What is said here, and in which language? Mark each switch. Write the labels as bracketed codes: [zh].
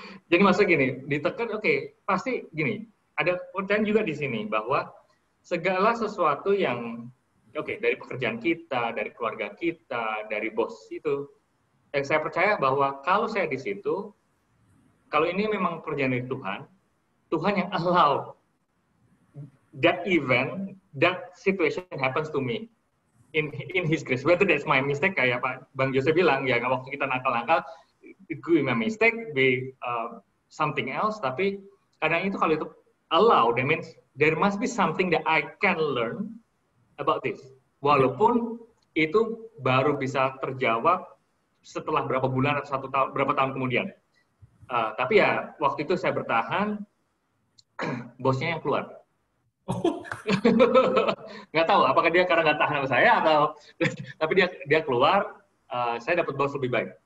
[id] Jadi maksudnya gini, ditekan, oke, pasti gini. Ada poin juga di sini bahwa segala sesuatu yang dari pekerjaan kita, dari keluarga kita, dari bos itu, yang saya percaya bahwa kalau saya di situ, kalau ini memang pekerjaan dari Tuhan, Tuhan yang [en] allow that event, that situation happens to me in His grace. Whether that's my mistake, [id] kayak Pak Bang Jose bilang, ya waktu kita nakal-nakal, [en] it could be my mistake, be something else, [id] tapi kadang itu kalau itu [en] allow, that means there must be something that I can learn about this. [id] Walaupun itu baru bisa terjawab setelah berapa bulan atau satu tahun, berapa tahun kemudian. Tapi ya, waktu itu saya bertahan, bosnya yang keluar. Gak tahu apakah dia karena gak tahan sama saya, atau tapi dia keluar, saya dapat bos lebih baik.